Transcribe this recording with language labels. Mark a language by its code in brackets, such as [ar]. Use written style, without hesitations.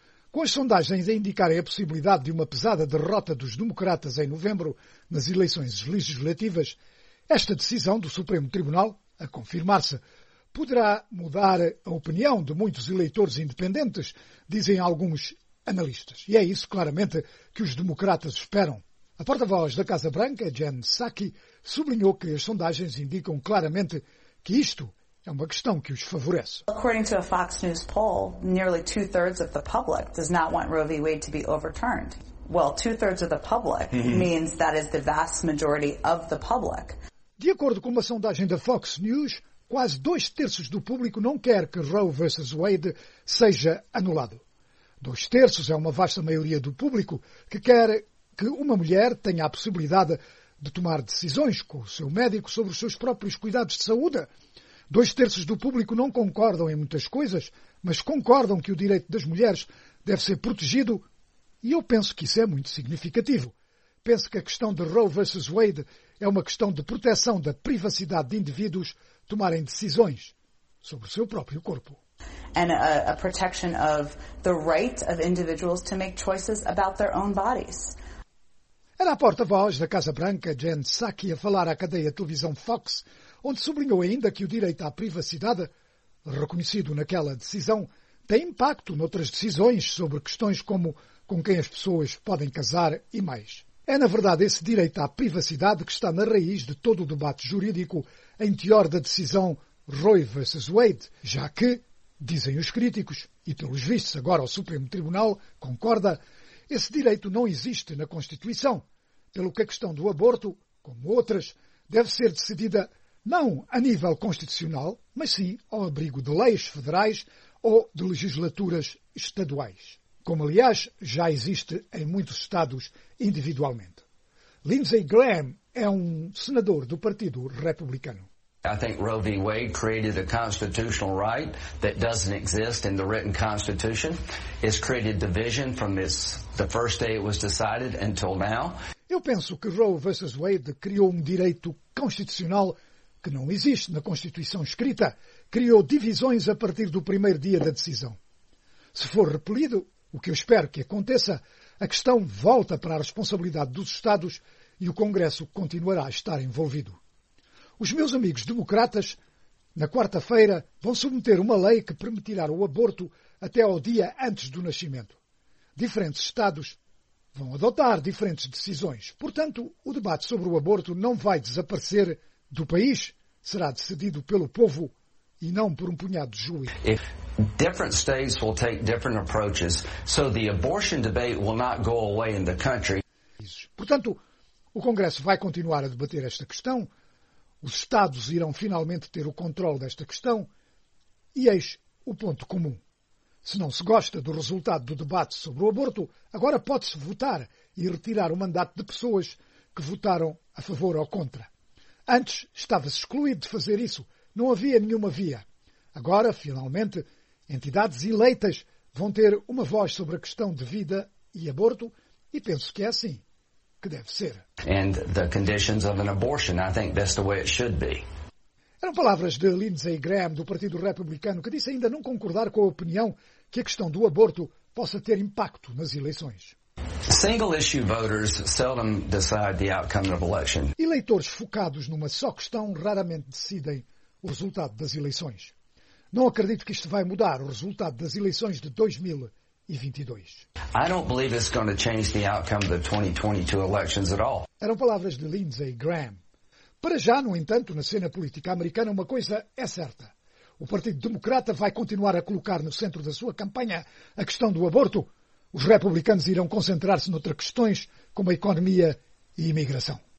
[pt] Com as sondagens a indicarem a possibilidade de uma pesada derrota dos democratas em novembro nas eleições legislativas, esta decisão do Supremo Tribunal, a confirmar-se, poderá mudar a opinião de muitos eleitores independentes, dizem alguns analistas. E é isso, claramente, que os democratas esperam. A porta-voz da Casa Branca, Jen Psaki, sublinhou que as sondagens indicam claramente que isto é uma questão que os favorece. [en] According to a Fox News poll, nearly 2/3 of the public does not want Roe v. Wade to be overturned. Well, 2/3 of the public means that is the vast majority of the public. [pt] De acordo com uma sondagem da Fox News, quase 2/3 do público não quer que Roe vs. Wade seja anulado. 2/3 é uma vasta maioria do público que quer que uma mulher tenha a possibilidade de tomar decisões com o seu médico sobre os seus próprios cuidados de saúde. 2/3 do público não concordam em muitas coisas, mas concordam que o direito das mulheres deve ser protegido, e eu penso que isso é muito significativo. Penso que a questão de Roe vs. Wade é uma questão de proteção da privacidade de indivíduos tomarem decisões sobre o seu próprio corpo. [en] And a protection of the right of individuals to make choices about their own bodies. [pt] Era a porta-voz da Casa Branca, Jen Psaki, a falar à cadeia de televisão Fox, onde sublinhou ainda que o direito à privacidade, reconhecido naquela decisão, tem impacto noutras decisões sobre questões como com quem as pessoas podem casar e mais. É, na verdade, esse direito à privacidade que está na raiz de todo o debate jurídico em teor da decisão Roe vs. Wade, já que, dizem os críticos, e pelos vistos agora o Supremo Tribunal concorda, esse direito não existe na Constituição, pelo que a questão do aborto, como outras, deve ser decidida não a nível constitucional, mas sim ao abrigo de leis federais ou de legislaturas estaduais, como, aliás, já existe em muitos estados individualmente. Lindsey Graham é um senador do Partido Republicano. [en] I think Roe v. Wade created a constitutional right that doesn't exist in the written constitution. It's created division from the first day it was decided until now. [pt] Eu penso que Roe vs. Wade criou um direito constitucional que não existe na Constituição escrita, criou divisões a partir do primeiro dia da decisão. Se for repelido, o que eu espero que aconteça, a questão volta para a responsabilidade dos Estados e o Congresso continuará a estar envolvido. Os meus amigos democratas, na quarta-feira, vão submeter uma lei que permitirá o aborto até ao dia antes do nascimento. Diferentes Estados vão adotar diferentes decisões. Portanto, o debate sobre o aborto não vai desaparecer do país, será decidido pelo povo e não por um punhado de juízes. [en] If different states will take different approaches, so the abortion debate will not go away in the country. [pt] Portanto, o Congresso vai continuar a debater esta questão. Os Estados irão finalmente ter o controle desta questão. E eis o ponto comum. Se não se gosta do resultado do debate sobre o aborto, agora pode-se votar e retirar o mandato de pessoas que votaram a favor ou contra. Antes estava-se excluído de fazer isso. Não havia nenhuma via. Agora, finalmente, entidades eleitas vão ter uma voz sobre a questão de vida e aborto, e penso que é assim que deve ser. [en] And the conditions of an abortion, I think that's the way it should be. [pt] Eram palavras de Lindsey Graham, do Partido Republicano, que disse ainda não concordar com a opinião que a questão do aborto possa ter impacto nas eleições. [en] Single-issue voters seldom decide the outcome of election. [pt] Eleitores focados numa só questão raramente decidem o resultado das eleições. Não acredito que isto vai mudar o resultado das eleições de 2022. [en] I don't believe it's going to change the outcome of the 2022 elections at all. [pt] Eram palavras de Lindsey Graham. Para já, no entanto, na cena política americana, uma coisa é certa. O Partido Democrata vai continuar a colocar no centro da sua campanha a questão do aborto. Os republicanos irão concentrar-se noutras questões, como a economia e a imigração.